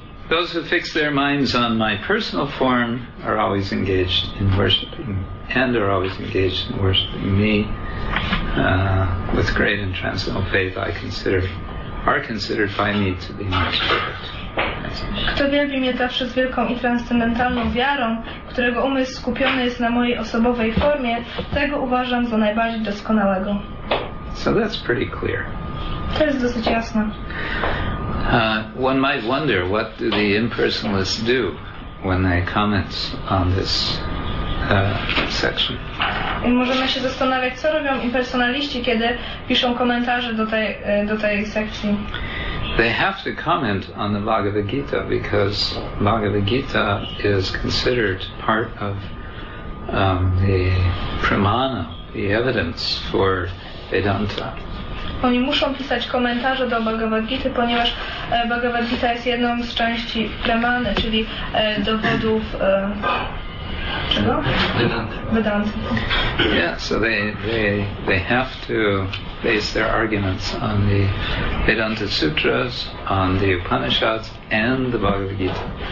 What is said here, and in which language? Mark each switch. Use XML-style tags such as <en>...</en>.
<en>Those who fix their minds on my personal form are always engaged in worshiping and are always engaged in worshiping me with great and transcendental faith are considered by me to be my spirit.</en> <pl>Kto wielbi mnie zawsze z wielką i transcendentalną wiarą, którego umysł skupiony jest na mojej osobowej formie, tego uważam za najbardziej doskonałego.</pl> <en>So that's pretty clear.</en> <pl>To jest dosyć jasne.</pl> <en>One might wonder, what do the impersonalists do when they comment on this section?</en> <pl>I możemy się zastanawiać, co robią impersonaliści, kiedy piszą komentarze do tej sekcji.</pl> <en>They have to comment on the Bhagavad Gita because Bhagavad Gita is considered part of the pramana, the evidence for Vedanta.</en> <pl>Oni muszą pisać komentarze do Bhagavad Gita, ponieważ Bhagavad Gita jest jedną z części pramany, czyli dowodów czego?</pl> <en>Vedanta. Yeah, so they have to base their arguments on the Vedanta Sutras, on the Upanishads, and the Bhagavad Gita.</en>